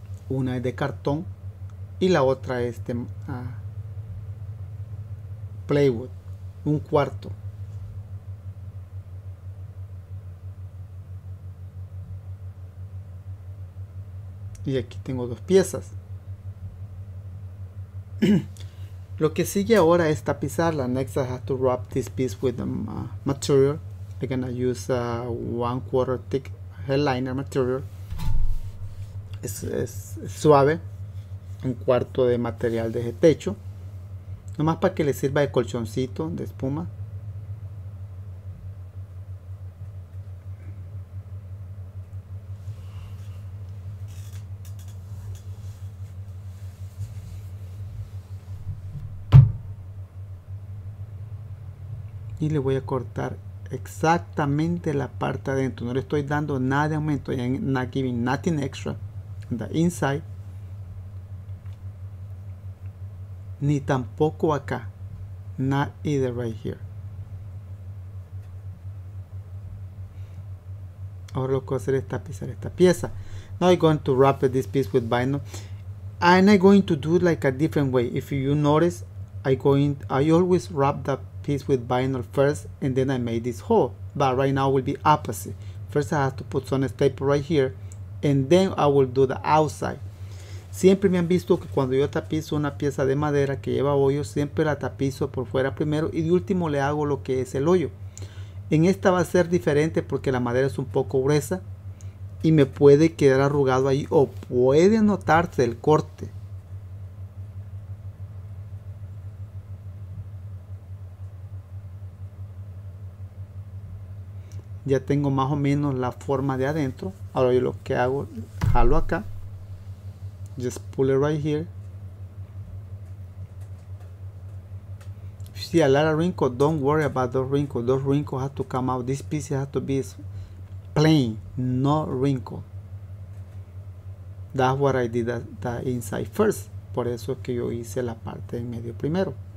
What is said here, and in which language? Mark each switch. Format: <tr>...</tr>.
<es>Una es de cartón y la otra es de playwood, un cuarto. Y aquí tengo dos piezas. Lo que sigue ahora es tapizarla.</es> <en>Next, I have to wrap this piece with the material. I'm gonna use a 1/4 thick headliner material.</en> <es>Es suave. Un cuarto de material de techo. Nomás para que le sirva de colchoncito de espuma. Y le voy a cortar exactamente la parte adentro. No le estoy dando nada de aumento.</es> <en>I'm not giving nothing extra on the inside.</en> <es>Ni tampoco acá.</es> <en>Not either right here.</en> <es>Ahora lo que voy a hacer es tapizar esta pieza.</es> <en>Now I'm going to wrap this piece with vinyl. And I'm going to do it like a different way. If you notice, I always wrap the piece with vinyl first, and then I made this hole. But right now will be opposite. First, I have to put some staple right here, and then I will do the outside.</en> <es>Siempre me han visto que cuando yo tapizo una pieza de madera que lleva hoyo, siempre la tapizo por fuera primero y de último le hago lo que es el hoyo. En esta va a ser diferente porque la madera es un poco gruesa y me puede quedar arrugado ahí o puede notarse el corte. Ya tengo más o menos la forma de adentro. Ahora yo lo que hago, jalo acá.</es> <en>Just pull it right here. If you see a lot of wrinkles, don't worry about those wrinkles. Those wrinkles have to come out. This piece has to be plain, no wrinkle. That's what I did the inside first.</en> <es>Por eso es que yo hice la parte en medio primero.</es>